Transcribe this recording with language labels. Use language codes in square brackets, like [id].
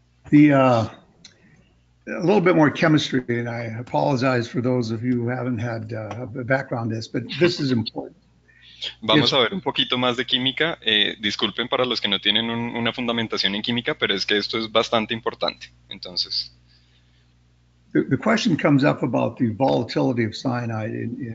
[en] A little bit more chemistry, and I apologize for those of you who haven't had a background in this, but this is important. [es] Vamos a ver un poquito más de química. Disculpen para los que no tienen una fundamentación en química, pero es que esto es bastante importante. Entonces, [en] the question comes up about the volatility of cyanide.